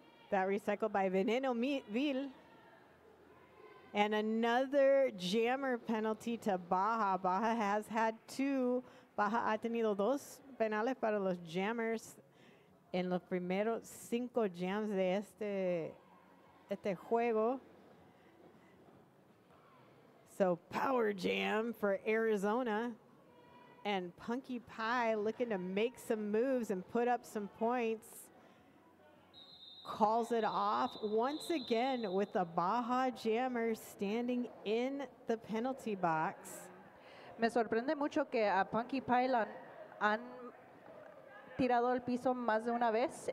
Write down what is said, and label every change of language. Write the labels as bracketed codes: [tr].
[en] That recycled by Veneno Vil. And another jammer penalty to Baja. Baja has had two. [es] Baja ha tenido dos penales para los jammers en los primeros cinco jams de este juego. [en] So power jam for Arizona, and Punky Pie looking to make some moves and put up some points, calls it off once again with the Baja jammer standing in the penalty box. [es] Me sorprende mucho que a Punky Pie la han tirado al piso más de una vez.